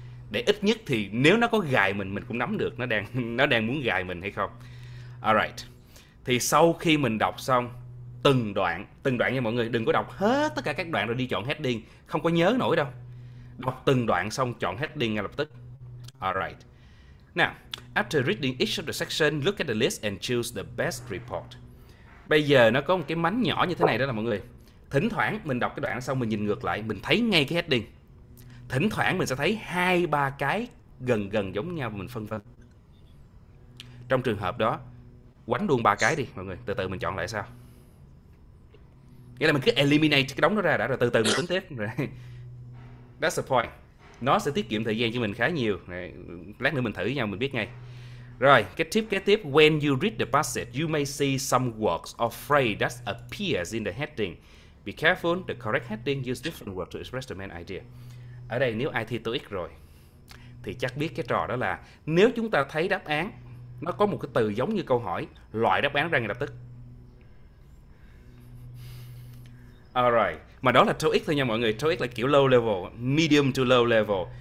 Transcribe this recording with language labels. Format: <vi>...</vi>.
<vi>Để ít nhất thì nếu nó có gài mình cũng nắm được nó đang muốn gài mình hay không. Alright. Thì sau khi mình đọc xong từng đoạn nha mọi người, đừng có đọc hết tất cả các đoạn rồi đi chọn heading, không có nhớ nổi đâu. Đọc từng đoạn xong chọn heading ngay lập tức.</vi> <en>Alright. Now, after reading each of the section, look at the list and choose the best report.</en> <vi>Bây giờ nó có một cái mánh nhỏ như thế này đó là mọi người. Thỉnh thoảng mình đọc cái đoạn xong mình nhìn ngược lại, mình thấy ngay cái heading. Thỉnh thoảng mình sẽ thấy hai ba cái gần gần giống nhau mà mình phân vân. Trong trường hợp đó, quánh luôn ba cái đi mọi người, từ từ mình chọn lại sao. Nghĩa là mình cứ eliminate cái đống nó ra đã, rồi từ từ mình tính tiếp.</vi> <en>That's the point.</en> <vi>Nó sẽ tiết kiệm thời gian cho mình khá nhiều. Lát nữa mình thử với nhau mình biết ngay. Rồi, cái tip kế tiếp,</vi> <en>when you read the passage, you may see some words or phrase that appears in the heading. Be careful, the correct heading use different words to express the main idea.</en> <vi>Ở đây nếu ai thi TOEIC rồi thì chắc biết cái trò đó là nếu chúng ta thấy đáp án nó có một cái từ giống như câu hỏi, loại đáp án ra ngay lập tức. Alright, mà đó là TOEIC thôi nha mọi người, TOEIC là kiểu</vi> <en>low level, medium to low level.</en>